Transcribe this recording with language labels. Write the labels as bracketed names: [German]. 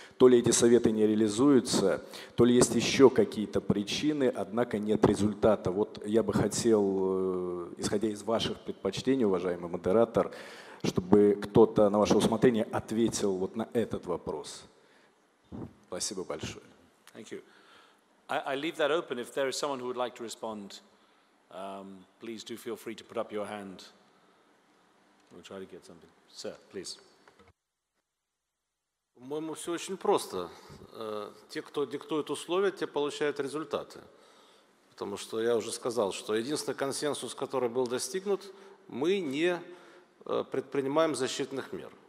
[Russian] То ли эти советы не реализуются, то ли есть еще какие-то причины, однако нет результата. Вот я бы хотел, исходя из ваших предпочтений, уважаемый модератор, чтобы кто-то на ваше усмотрение ответил вот на этот вопрос. Спасибо большое. [English] Thank you. I leave that open. If there is someone who would like to respond, please do feel free to put up your hand. We'll try to get something. Sir, please. [Russian] По-моему, все очень просто. Те, кто диктует условия, те получают результаты. Потому что я уже сказал, что единственный консенсус, который был достигнут, мы не предпринимаем защитных мер.